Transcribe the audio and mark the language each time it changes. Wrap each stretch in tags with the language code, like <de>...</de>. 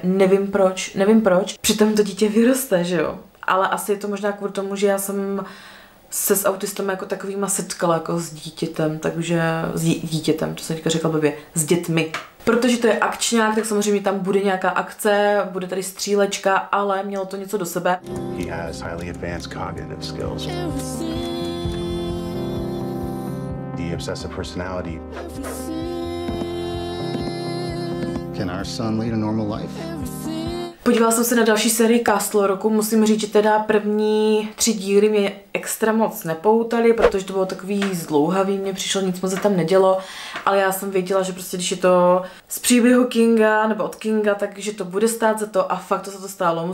<cs>Nevím proč, přitom to dítě vyroste, že jo. Ale asi je to možná kvůli tomu, že já jsem se s autistem jako takovýma setkala, jako s dítětem, takže s dítětem, to jsem teďka řekla blbě, s dětmi. Protože to je akčňák, tak samozřejmě tam bude nějaká akce, bude tady střílečka, ale mělo to něco do sebe.</cs> <en>He has highly advanced cognitive skills. The obsessive personality. Can our son lead a normal life?</en> <cs>Podívala jsem se na další sérii Castle Rocku, musím říct, že teda první tři díly mě extra moc nepoutaly, protože to bylo takový zdlouhavý, mě přišlo, nic moc se tam nedělo, ale já jsem věděla, že prostě když je to z příběhu Kinga nebo od Kinga, takže to bude stát za to a fakt to se to stalo.</cs>